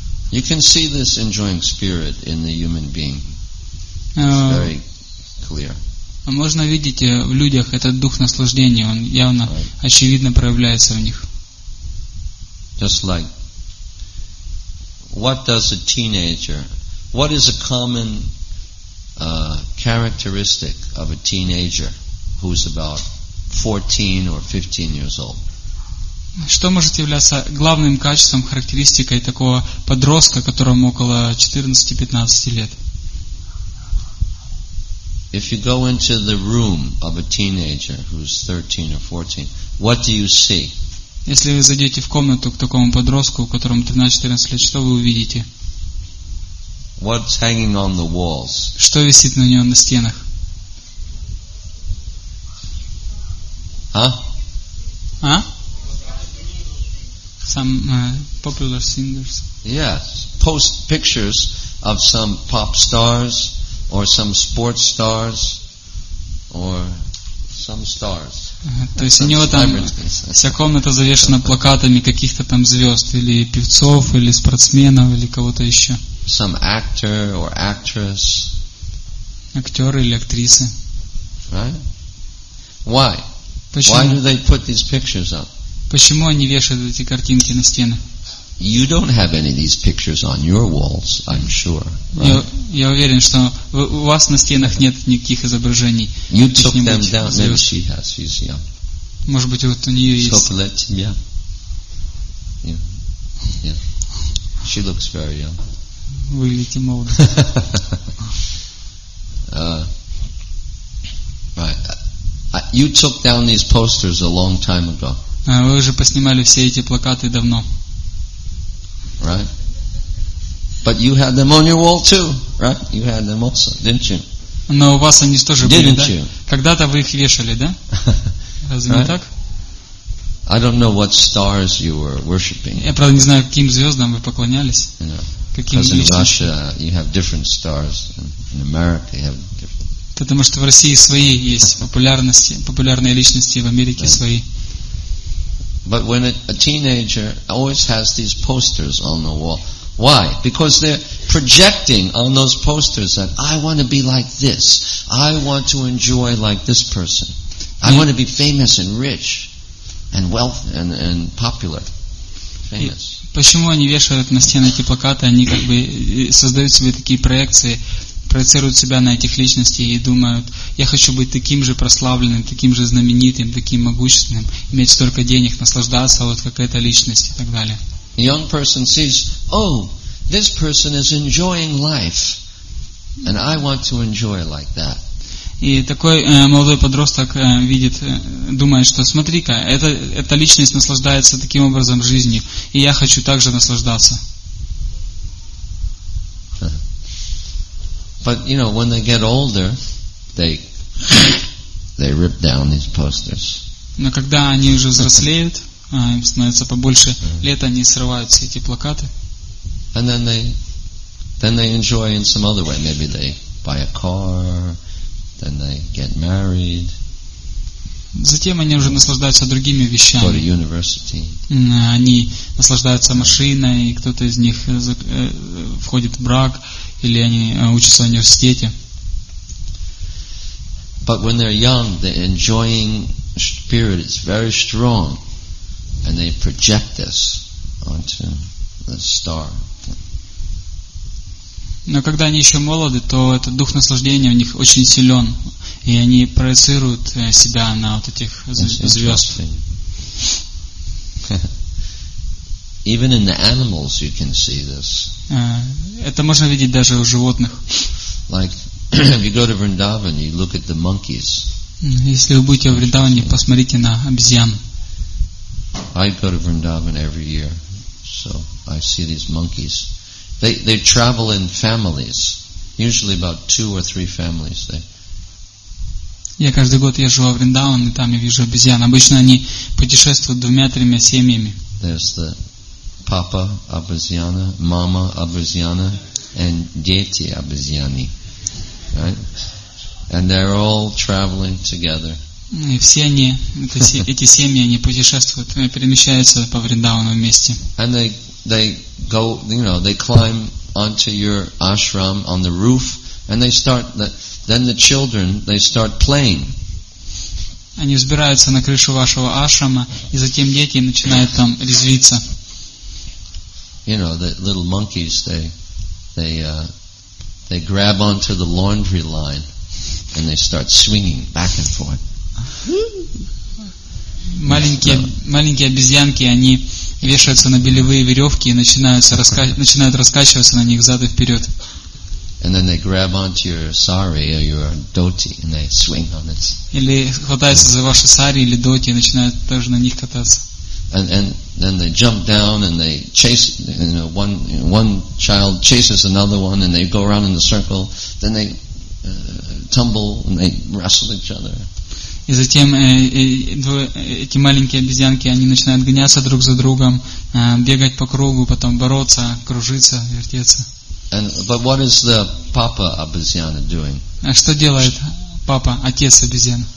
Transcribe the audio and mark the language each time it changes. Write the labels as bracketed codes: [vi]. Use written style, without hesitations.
[en] You can see this enjoying spirit in the human being. It's very clear. [ru] Можно видеть в людях этот дух наслаждения, он явно, [en] right, [ru] очевидно проявляется в них. [en] Just like, what is a common characteristic of a teenager who's about 14 or 15 years old. [ru] Что может являться главным качеством, характеристикой такого подростка, которому около 14-15 лет? [en] If you go into the room of a teenager who's 13 or 14, what do you see? [ru] Если вы зайдете в комнату к такому подростку, которому 13-14 лет, что вы увидите? [en] What's hanging on the walls? [ru] Что висит на нём на стенах? А? [en] Some popular singers. Yes, post pictures of some pop stars or some sports stars or some stars. [ru] То есть у него там вся комната завешена плакатами каких-то там звёзд или певцов или спортсменов или кого-то ещё. [en] Some actor or actress. [ru] Актёр или актриса. [en] Right? Why? [ru] Почему? [en] Why do they put these pictures up? [ru] Почему они вешают эти картинки на стены? [en] You don't have any of these pictures on your walls, I'm sure. Right? [ru] Я уверен, что у вас на стенах нет никаких изображений. [en] You took them down. Maybe she has. She's young. [ru] Может быть, вот у нее есть... Сколько лет тебе? [en] Yeah. She looks very young. [ru] Выглядит молодо. [en] Right. You took down these posters a long time ago. [ru] Вы уже поснимали все эти плакаты давно. [en] Right. But you had them on your wall too, right? You had them also, didn't you? [ru] Но у вас они тоже [en] didn't you? [ru] Да? Когда-то вы их вешали, да? Разве [en] right? [ru] не так? [en] I don't know what stars you were worshiping. [ru] Я правда не знаю, каким звездам вы поклонялись. [en] You know, [ru] каким звездам? [en] Because in Russia you have different stars. In America you have different. [ru] Потому что в России свои есть популярности, популярные личности, в Америке [en] right. [ru] свои. [en] But when a teenager always has these posters on the wall. Why? Because they're projecting on those posters that I want to be like this. I want to enjoy like this person. I want to be famous and rich and wealthy and popular. Famous. [ru] Почему они вешают на стены эти плакаты? Они как бы создают себе такие проекции, проецируют себя на этих личностей и думают, я хочу быть таким же прославленным, таким же знаменитым, таким могущественным, иметь столько денег, наслаждаться вот как эта личность и так далее. [en] A young person sees, oh, this person is enjoying life, and I want to enjoy like that. [ru] И такой молодой подросток видит, думает, что смотри-ка, эта личность наслаждается таким образом жизнью, и я хочу также наслаждаться. [en] But you know, when they get older, they rip down these posters. [ru] Но когда они уже взрослеют. Им становится побольше лет, они срывают все эти плакаты. [en] And then they enjoy in some other way. Maybe they buy a car, then they get married. [ru] Затем они уже наслаждаются другими вещами. [en] Go to university. [ru] Они наслаждаются машиной, и кто-то из них входит в брак, или они учатся в университете. [en] But when they're young, the enjoying spirit is very strong. And they project this onto the star. [ru] Но когда они еще молоды, то этот дух наслаждения у них очень силен, и они проецируют себя на вот этих звезд. [en] Even in the animals you can see this. [ru] Это можно видеть даже у животных. [en] Like if you go to Vrindavan, you look at the monkeys. [ru] Если вы будете в Вриндаване, посмотрите на обезьян. [en] I go to Vrindavan every year, so I see these monkeys. They travel in families, usually about two or three families. [ru] Я каждый год езжу во Вриндаван и там я вижу обезьян. Обычно они путешествуют двумя-тремя семьями. [en] There's the papa [ru] обезьяна, [en] мама [ru] обезьяна, [en] and [ru] дети обезьяны, [en] right? And they're all traveling together. [ru] И все они, эти семьи, они путешествуют, они перемещаются по Вриндавану вместе. [en] And they go, you know, they climb onto your ashram on the roof, and they start, then the children, they start playing. [ru] Они взбираются на крышу вашего ашрама, и затем дети начинают там резвиться. [en] You know, the little monkeys, they grab onto the laundry line, and they start swinging back and forth. [ru] Маленькие обезьянки, они вешаются на белевые веревки и начинают раскачиваться на них зад и вперед. [en] And then they grab onto your sari or your dhoti and they swing on it. [ru] Или хватаются за ваши сари или доти и начинают тоже на них кататься. [en] And then they jump down and they chase, you know, one child chases another one and they go around in a circle. Then they tumble and they wrestle each other. [ru] И затем эти маленькие обезьянки, они начинают гоняться друг за другом, бегать по кругу, потом бороться, кружиться, вертеться. [en] But what is the papa [ru] обезьяна [en] doing? [ru] А что делает папа, отец обезьян?